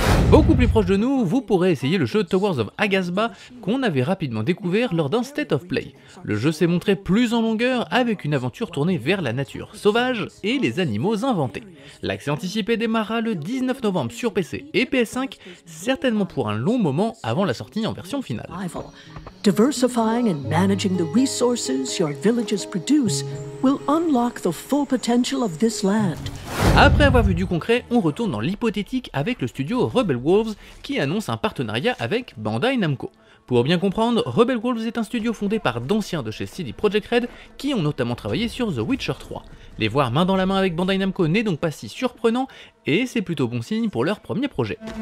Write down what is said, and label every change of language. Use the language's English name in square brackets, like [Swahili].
[French] Beaucoup plus proche de nous, vous pourrez essayer le jeu Towers of Agasba qu'on avait rapidement découvert lors d'un State of Play. Le jeu s'est montré plus en longueur avec une aventure tournée vers la nature sauvage et les animaux inventés. L'accès anticipé démarrera le 19 novembre sur PC et PS5, certainement pour un long moment avant la sortie en version finale. [English] Diversifying and managing the resources your villages produce will unlock the full potential of this land. [French] Après avoir vu du concret, on retourne dans l'hypothétique avec le studio Rebel Wolves qui annonce un partenariat avec Bandai Namco. Pour bien comprendre, Rebel Wolves est un studio fondé par d'anciens de chez CD Projekt Red qui ont notamment travaillé sur The Witcher 3. Les voir main dans la main avec Bandai Namco n'est donc pas si surprenant et c'est plutôt bon signe pour leur premier projet.